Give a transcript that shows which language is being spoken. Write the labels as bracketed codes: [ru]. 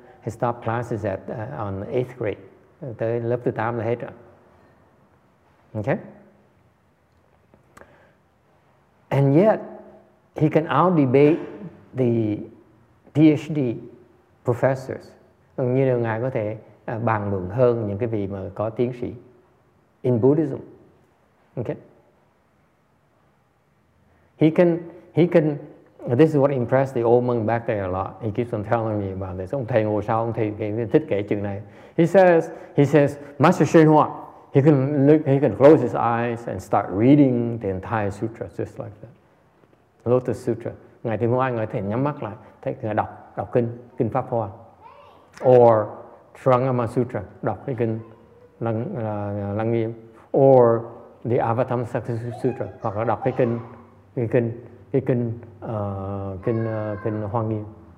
[en] He stopped classes at on the 8th grade. [vi] Tới lớp thứ 8 là hết rồi. [en] Okay? And yet, he can out-debate the PhD professors. [vi] Như là Ngài có thể bàn luận hơn những cái vị mà có tiến sĩ [en] in Buddhism. Okay? He can, this is what impressed the old monk back there a lot. He keeps on telling me about this. [vi] Ông thầy ngồi sau, ông thầy thích kể chuyện này. [en] He says, Master Shenhua, he can close his eyes and start reading the entire sutra just like that. Lotus Sutra. [vi] Ngài Thiên Hoa, Ngài có thể nhắm mắt lại, thấy Ngài đọc kinh Pháp Hoa. [en] Or Trangama Sutra, [vi] đọc cái kinh Lăng Nghiêm. [en] Or the Avatamsaka Sutra, [vi] hoặc là đọc cái kinh Hoa Nghiêm.